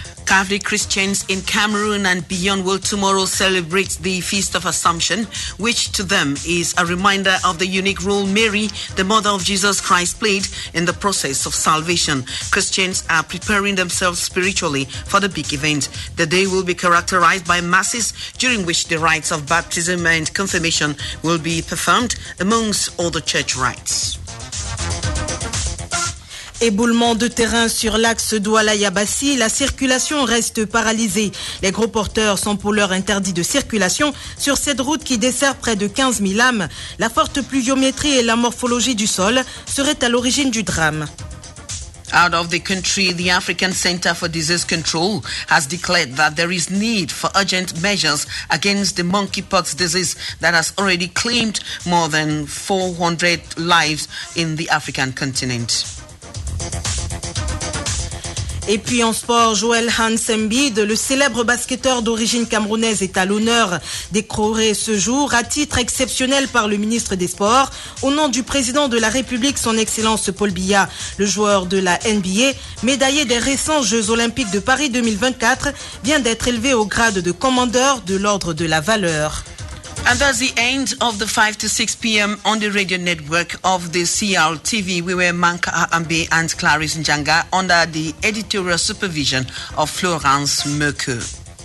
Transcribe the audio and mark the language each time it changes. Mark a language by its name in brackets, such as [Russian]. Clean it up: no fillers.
[English] Catholic Christians in Cameroon and beyond will tomorrow celebrate the Feast of Assumption, which to them is a reminder of the unique role Mary, the mother of Jesus Christ, played in the process of salvation. Christians are preparing themselves spiritually for the big event. The day will be characterized by masses, during which the rites of baptism and confirmation will be performed amongst all the church rites. [French] Éboulement de terrain sur l'axe Douala-Yabassi, la circulation reste paralysée. Les gros porteurs sont pour l'heure interdits de circulation sur cette route qui dessert près de 15 000 âmes. La forte pluviométrie et la morphologie du sol seraient à l'origine du drame. [English] Out of the country, the African Center for Disease Control has declared that there is need for urgent measures against the monkeypox disease that has already claimed more than 400 lives in the African continent. [French] Et puis en sport, Joël Hans-Embiid, le célèbre basketteur d'origine camerounaise, est à l'honneur, décoré ce jour à titre exceptionnel par le ministre des Sports. Au nom du président de la République, son Excellence Paul Biya, le joueur de la NBA, médaillé des récents Jeux Olympiques de Paris 2024, vient d'être élevé au grade de commandeur de l'Ordre de la Valeur. [English] And that's the end of the 5 to 6 p.m. on the radio network of the CRTV. We were Manka Ambe and Clarice Njanga under the editorial supervision of Florence Mercure.